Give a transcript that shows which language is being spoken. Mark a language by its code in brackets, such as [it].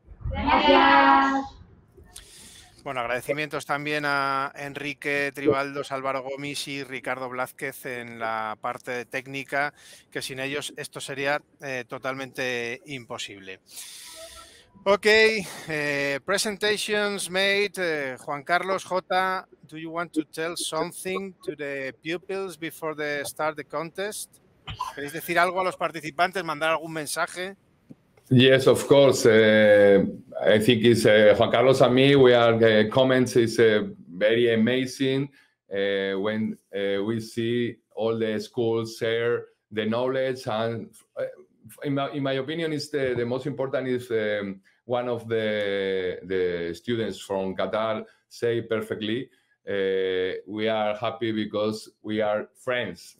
[es] Gracias. Bueno, agradecimientos también a Enrique Tribaldos, Álvaro Gomis y Ricardo Blázquez en la parte técnica, que sin ellos esto sería totalmente imposible. [en] Okay, presentations made. Juan Carlos, Jota, do you want to tell something to the pupils before they start the contest? [es] ¿Queréis decir algo a los participantes, mandar algún mensaje? [en] Yes, of course. I think it's Juan Carlos and me, we are the comments. It's very amazing when we see all the schools share the knowledge. And in my opinion, it's the most important is one of the students from Qatar say perfectly, we are happy because we are friends.